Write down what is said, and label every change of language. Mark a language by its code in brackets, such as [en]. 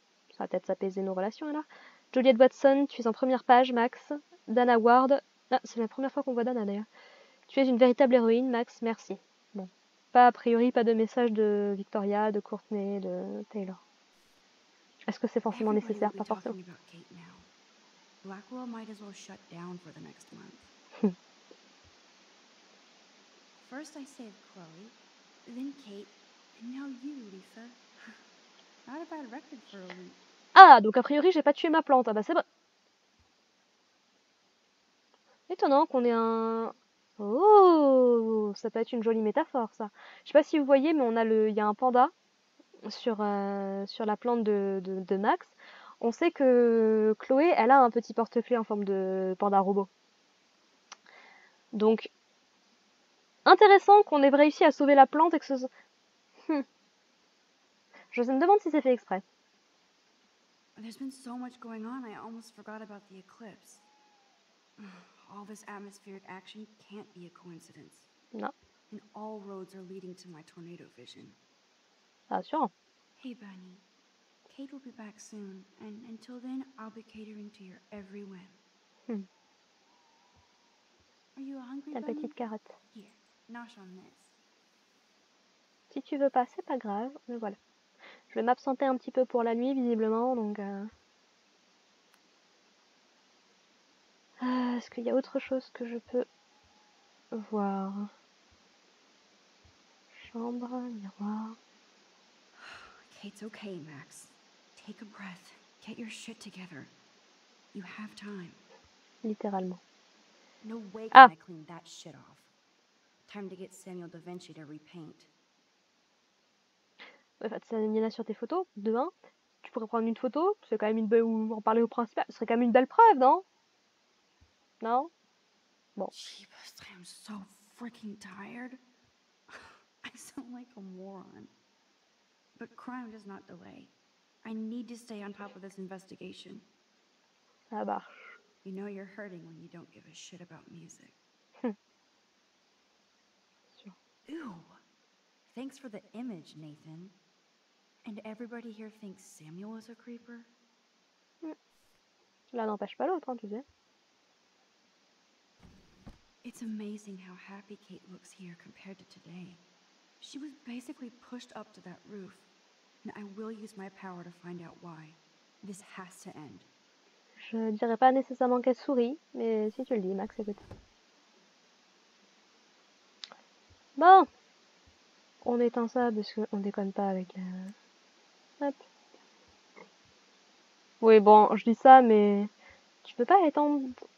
[fr] Ça va peut-être s'apaiser nos relations, alors. Juliette Watson, tu es en première page, Max. Dana Ward, ah, c'est la première fois qu'on voit Dana, d'ailleurs. Tu es une véritable héroïne, Max, merci. Bon, pas a priori, pas de message de Victoria, de Courtney, de Taylor. Est-ce que c'est forcément nécessaire? Pas forcément. [en] Blackwell might as well shut down for the next month. First I saved Chloe, then Kate, and now you, Lisa. Not a bad record for a week. [fr] Ah, donc a priori, j'ai pas tué ma plante. Ah bah c'est bon. Étonnant qu'on ait un... Oh, ça peut être une jolie métaphore, ça. Je sais pas si vous voyez, mais il y a un panda sur la plante de Max. On sait que Chloé, elle a un petit porte-clés en forme de panda robot. Donc, intéressant qu'on ait réussi à sauver la plante et que ce soit... Je me demande si c'est fait exprès. [en] There's been so much going on, I almost forgot about the eclipse. All this atmospheric action can't be a coincidence. [fr] Non. [en] And all roads are leading to my tornado vision. [fr] Ah, sûr. [en] Hey, Bunny. Kate will be back soon, and until then, I'll be catering to your every whim. Are you hungry, Bunny? [fr] La petite carotte. [en] Yes, nosh on this. [fr] Si tu veux pas, c'est pas grave, mais voilà. Je vais m'absenter un petit peu pour la nuit, visiblement, donc... est-ce qu'il y a autre chose que je peux voir? Chambre, miroir... [en] Kate's okay, Max. Take a breath. Get your shit together. You have time. [fr] Littéralement. [en] No way can I clean that shit off. Time to get Samuel da Vinci to repaint. [fr] Enfin, ça y en a sur tes photos, demain. Tu pourrais prendre une photo, c'est quand même une belle, ou en parler au principal, ce serait quand même une belle preuve, non? Non? Bon. [en] Jeebus, I'm so freaking tired. I sound like a moron. But crime does not delay. I need to stay on top of this investigation. [fr] Ah bah. [en] You know you're hurting when you don't give a shit about music. Ew. Thanks for the image, Nathan. And everybody here thinks Samuel is a creeper? [fr] Là n'empêche pas l'autre, hein, tu sais. [en] It's amazing how happy Kate looks here compared to today. She was basically pushed up to that roof. And I will use my power to find out why. This has to end. [fr] Je dirais pas nécessairement qu'elle sourit, mais si tu le dis, Max, écoute. Bon. On éteint ça parce qu'on déconne pas avec la... Hop. Oui, bon, je dis ça, mais... Tu peux pas éteindre...